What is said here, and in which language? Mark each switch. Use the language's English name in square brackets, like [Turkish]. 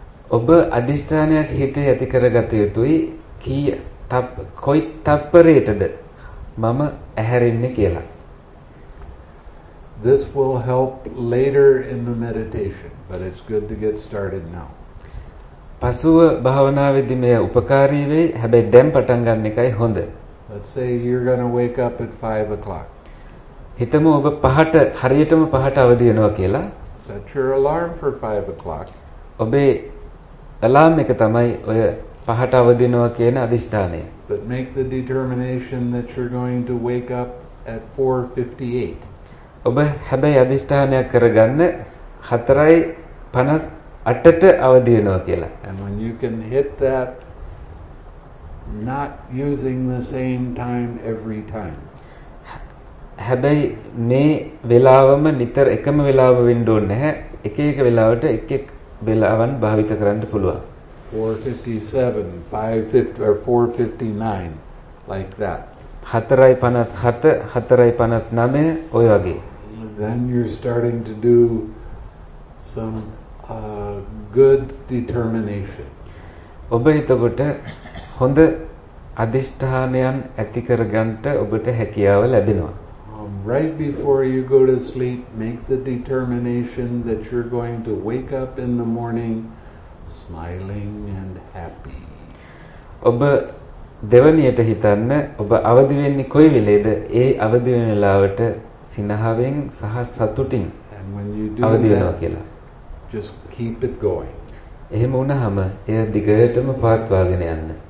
[Sinhala] ඔබ අදිෂ්ඨානයක් හිතේ ඇති කරගත යුතුයි කී තප් කොයි තප්පරයටද මම ඇහැරෙන්නේ කියලා. [English] This will help later in the meditation, but it's good to get started now. [Sinhala] පසුව භාවනාවේදී මේ ಉಪකාරී වෙයි, හැබැයි දැන් පටන් ගන්න එකයි හොඳ. [English] Let's say you're going to wake up at 5 o'clock. [Sinhala] හිතමු ඔබ පහට හරියටම පහට අවදි වෙනවා කියලා. [English] Set your alarm for 5 o'clock. [Sinhala] ඔබේ alarm එක තමයි ඔය පහට අවදි වෙනවා කියන අදිෂ්ඨානය. [English] But make the determination that you're going to wake up at 4:58. [Sinhala] ඔබ හැබැයි අදිෂ්ඨානයක් කරගන්න 4:58 පනස් අටට අවදි වෙනවා කියලා. [English] And when you can hit that, not using the same time every time. [Sinhala] හැබැයි මේ වෙලාවම නිතර එකම වෙලාව වෙන්න ඕනේ නැහැ. එක එක වෙලාවට එක එක වෙලාවන් භාවිත කරන්න පුළුවන්. [English] 457, 550 or 459, like that. [Sinhala] 457, 459, ඔය වගේ. [English] Then you're starting to do some good determination. [Sinhala] ඔබ එතකොට හොඳ අදිෂ්ඨානයන් ඇති කරගන්න ඔබට හැකියාව ලැබෙනවා. [English] Right before you go to sleep, make the determination that you're going to wake up in the morning smiling and happy. [Sinhala] ඔබ දෙවනියට හිතන්න ඔබ අවදි වෙන්නේ කොයි වෙලේද? ඒ අවදි වෙන වෙලාවට සිනහවෙන් සහ සතුටින් අවදි වෙනවා කියලා. [English] Just keep it going. [Sinhala] එහෙම වුණාම එය දිගටම පවත්වාගෙන යන්න.